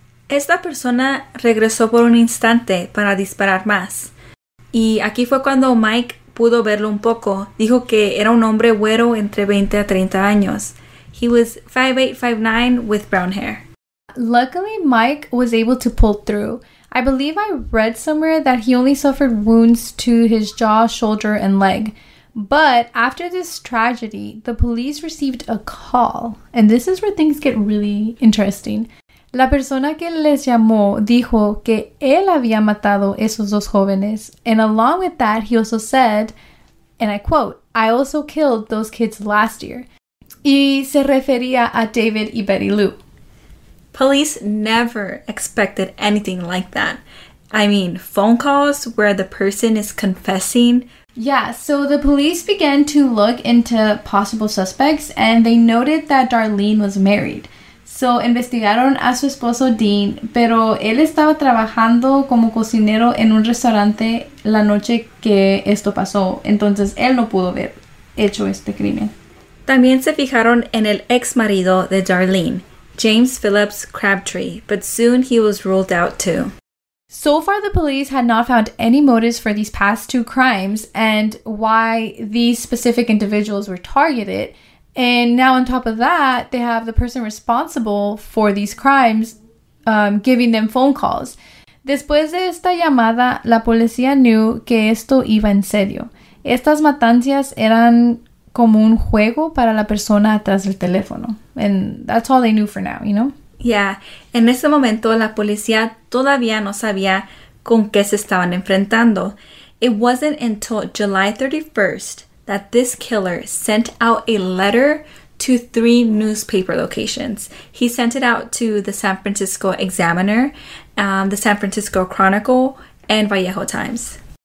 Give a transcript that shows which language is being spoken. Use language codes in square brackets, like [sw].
[es] Esta persona regresó por un instante para disparar más. Y aquí fue cuando Mike pudo verlo un poco. Dijo que era un hombre güero entre 20 a 30 años. [en] He was 5'8", 5'9", with brown hair. Luckily, Mike was able to pull through. I believe I read somewhere that he only suffered wounds to his jaw, shoulder, and leg. But after this tragedy, the police received a call. And this is where things get really interesting. [es] La persona que les llamó dijo que él había matado esos dos jóvenes. [en] And along with that, he also said, and I quote, "I also killed those kids last year." [es] Y se refería a David y Betty Lou. [en] Police never expected anything like that. I mean, phone calls where the person is confessing. Yeah, so the police began to look into possible suspects and they noted that Darlene was married. [es] So, investigaron a su esposo Dean, pero él estaba trabajando como cocinero en un restaurante la noche que esto pasó. Entonces, él no pudo haber hecho este crimen. También se fijaron en el ex marido de Darlene, James Phillips Crabtree, [en] but soon he was ruled out too. So far, the police had not found any motives for these past two crimes and why these specific individuals were targeted. And now on top of that, they have the person responsible for these crimes giving them phone calls. [es] Después de esta llamada, la policía knew que esto iba en serio. Estas matanzas eran como un juego para la persona atrás del teléfono. [en] And that's all they knew for now, you know? Yeah. [es] En ese momento, la policía todavía no sabía con qué se estaban enfrentando. [en] It wasn't until July 31st that this killer sent out a letter to 3 newspaper locations. He sent it out to the San Francisco Examiner, the San Francisco Chronicle, and Vallejo Times.